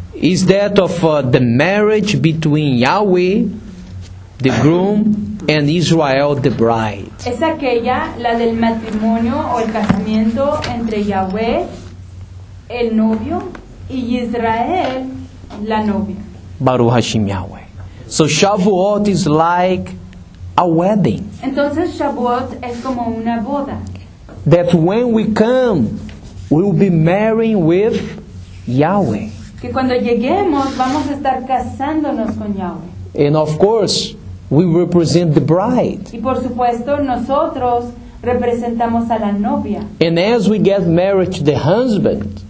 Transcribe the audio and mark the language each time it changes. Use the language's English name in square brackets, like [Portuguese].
[English] is that of the marriage between Yahweh, the groom, and Israel, the bride. [Spanish] Es aquella, la del matrimonio o el casamiento entre Yahweh, el novio, y Israel, la novia. [Hebrew] Baruch Hashem Yahweh. [English] So Shavuot is like a wedding. [Spanish] Entonces Shavuot es como una boda. [English] That when we come, we will be marrying with Yahweh. [Spanish] Que cuando lleguemos, vamos a estar casándonos con Yahweh. [English] And of course, we represent the bride. [Spanish] Y por supuesto, nosotros representamos a la novia. [English] And as we get married to the husband,